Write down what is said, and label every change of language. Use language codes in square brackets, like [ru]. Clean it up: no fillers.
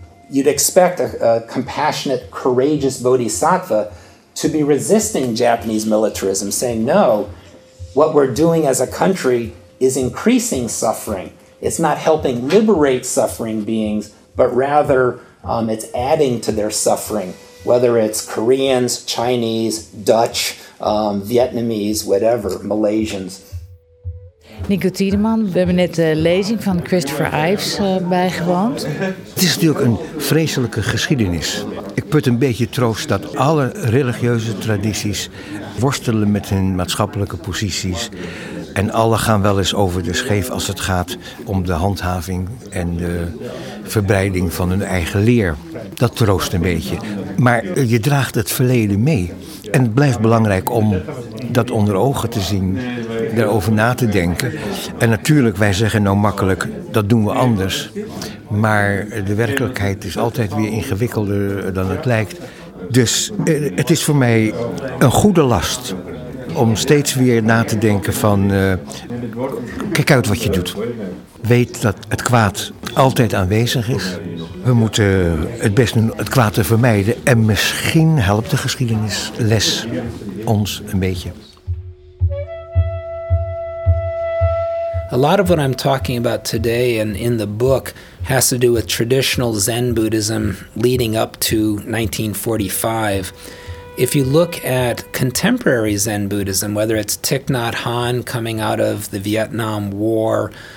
[en] You'd expect a compassionate, courageous bodhisattva to be resisting Japanese militarism, saying, no, what we're doing as a country is increasing suffering. It's not helping liberate suffering beings, but rather it's adding to their suffering, whether it's Koreans, Chinese, Dutch, Vietnamese, whatever, Malaysians. [nl] Nico Tiedeman, we hebben net de lezing van Christopher Ives bijgewoond. Het is natuurlijk een vreselijke geschiedenis. Ik put een beetje troost dat alle religieuze tradities worstelen met hun maatschappelijke posities. En alle gaan wel eens over de scheef als het gaat om de handhaving en de verbreiding van hun eigen leer. Dat troost een beetje. Maar je draagt het verleden mee. En het blijft belangrijk om dat onder ogen te zien, daarover na te denken. En natuurlijk, wij zeggen nou makkelijk, dat doen we anders. Maar de werkelijkheid is altijd weer ingewikkelder dan het lijkt. Dus het is voor mij een goede last om steeds weer na te denken van, kijk uit wat je doet. Weet dat het kwaad altijd aanwezig is. We moeten het best doen het kwaad te vermijden. En misschien helpt de geschiedenisles ons een beetje. [en] A lot of what I'm talking about today and in the book has to do with traditional Zen Buddhism leading up to 1945. If you look at contemporary Zen Buddhism, whether it's Thich Nhat Hanh coming out of the Vietnam War,